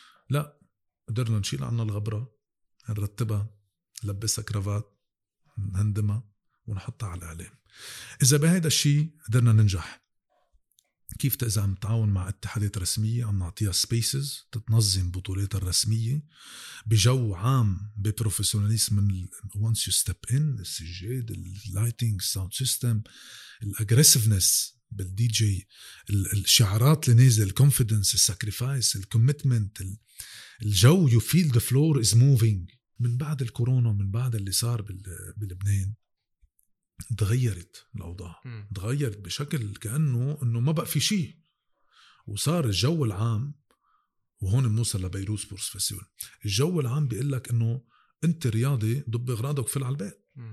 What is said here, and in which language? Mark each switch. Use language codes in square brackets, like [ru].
[ar] لا, قدرنا نشيل عنا الغبرة, نرتبها, نلبسها كرافات, نهندمها ونحطها على الإعلام. إذا بهذا الشيء قدرنا ننجح, كيف إذا عم تعاون مع اتحادات رسمية عم نعطيها spaces تتنظم بطولات الرسمية بجو عام ببروفيسيوناليزم. [en] من once you step in, السجاد, lighting, sound system, aggressiveness بالدي جي, [ar] الشعارات اللي نازل, [en] الconfidence, السacrifice, الcommitment, الجو, you feel the floor is moving. [ar] من بعد الكورونا, من بعد اللي صار بلبنان, تغيرت الأوضاع, تغيرت بشكل كأنه إنه ما بقى في شيء, وصار الجو العام, وهون بنوصل لبيروت سبورتس فيستيفال. الجو العام بيقول لك إنه أنت رياضي, ضب أغراضك في العلبات.